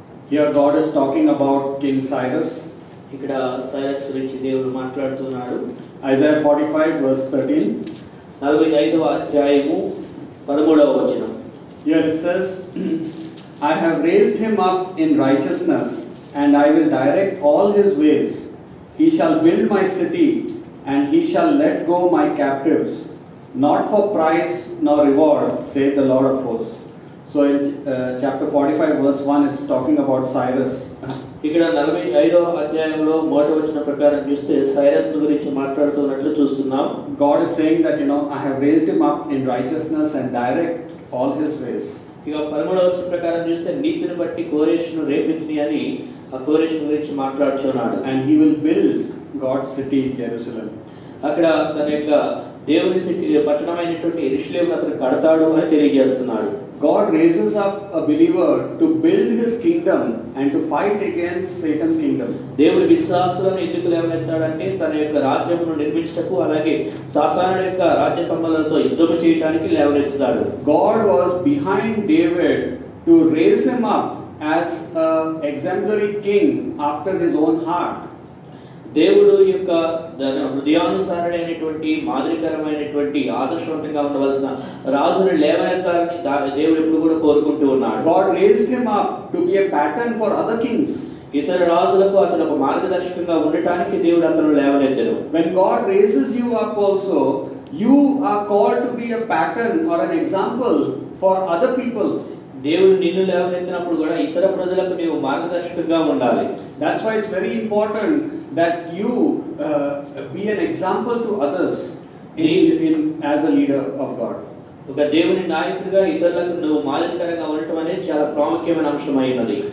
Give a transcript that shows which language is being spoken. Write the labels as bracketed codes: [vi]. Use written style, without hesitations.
[en] Here God is talking about King Cyrus. [te] ఇక్కడ Cyrus గురించి దేవుడు మాట్లాడుతున్నాడు. [en] Isaiah 45 verse 13. [te] 45వ అధ్యాయము 13వ వచనం. [en] Here it says, I have raised him up in righteousness and I will direct all his ways. He shall build my city and he shall let go my captives, not for price nor reward, saith the Lord of hosts. So in chapter 45 verse 1 it's talking about Cyrus. [te] ఇక్కడ 45వ అధ్యాయంలో మొదటి వచన ప్రకారం చూస్తే Cyrus గురించి మాట్లాడుతున్నట్లు చూస్తున్నాం. [en] God is saying that, you know, I have raised him up in righteousness and direct all his ways. [te] ఇక 13వ వచన ప్రకారం చూస్తే నీతిని బట్టి కోరెషును రేపితిని అని ఆ కోరెషును గురించి మాట్లాడుచున్నాడు. [en] And he will build God's city in Jerusalem. [te] అక్కడ తన యొక్క దేవుని సిటీ పట్టణమైనటువంటి యెరూషలేము అతను కడతాడు అని తెలియజేస్తున్నాడు. [en] God raises up a believer to build his kingdom and to fight against Satan's kingdom. [te] దేవుడు విశ్వాసులను ఎందుకు లేవనెత్తాడంటే తన యొక్క రాజ్యమును నిర్మించటకు అలాగే సాతాను యొక్క రాజ్య సంబంధంతో యుద్ధం చేయడానికి లేవనెత్తుతాడు. [en] God was behind David to raise him up as a exemplary king after his own heart. [te] దేవుడు యొక్క హృదయానుసారణైనటువంటి మాదిరికరమైనటువంటి ఆదర్శవంతంగా ఉండవలసిన రాజును లేవనెత్తాలని దేవుడు ఎప్పుడు కూడా కోరుకుంటూ ఉన్నాడు. [en] God raised him up to be a pattern for other kings. [te] ఇతర రాజులకు అతను ఒక మార్గదర్శకంగా ఉండటానికి దేవుడు అతను లేవనెత్తాడు. [en] When God raises you up also, you are called to be a pattern or an example for other people. [te] దేవుడు నిన్ను లేవనెత్తినప్పుడు కూడా ఇతర ప్రజలకు నీవు మార్గదర్శకంగా ఉండాలి. [en] That's why it's very important that you be an example to others in as a leader of God. [te] ఒక దేవుని నాయకుడిగా ఇతరులకు నువ్వు మాదిరికరంగా ఉండటం అనేది చాలా ప్రాముఖ్యమైన అంశం అయినది.